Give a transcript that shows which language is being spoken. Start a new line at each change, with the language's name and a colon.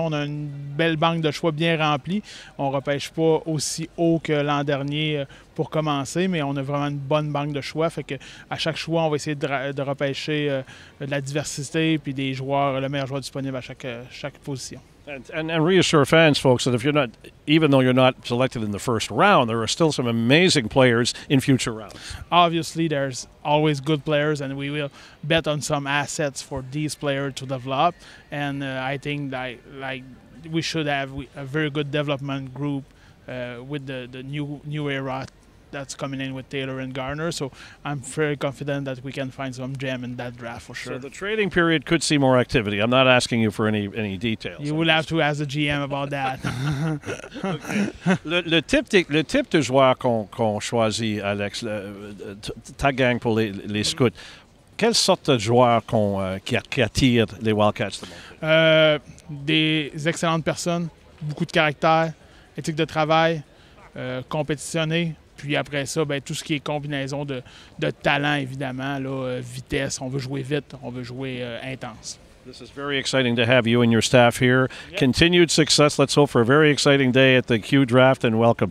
French: On a une belle banque de choix bien remplie. On ne repêche pas aussi haut que l'an dernier pour commencer, mais on a vraiment une bonne banque de choix. Fait que à chaque choix, on va essayer de repêcher de la diversité puis des joueurs, le meilleur joueur disponible à chaque position.
English: And reassure fans, folks, that if you're not, even though you're not selected in the first round, there are still some amazing players in future rounds. Obviously, there's always good players, and we will bet on some assets for these players to develop. And I think that we should have a very good development group with the new era that's coming in with Taylor and Garner. So I'm very confident that we can find some gem in that draft for sure. So the trading period could see more activity. I'm not asking you for any details. You will have to ask the GM about that. Okay.
French: Le type de joueur qu'on choisit, Alex, ta gang pour les scouts, quelle sorte de joueur qui attire les Wildcats de Moncton? Des excellentes personnes, beaucoup de caractère, éthique de travail, compétitionné. Puis après ça, ben, tout ce qui est combinaison de talent, évidemment, là, vitesse, on veut jouer vite, on veut jouer intense.
English: This is very exciting to have you and your staff here. Yep. Continued success. Let's hope for a very exciting day at the Q Draft and welcome.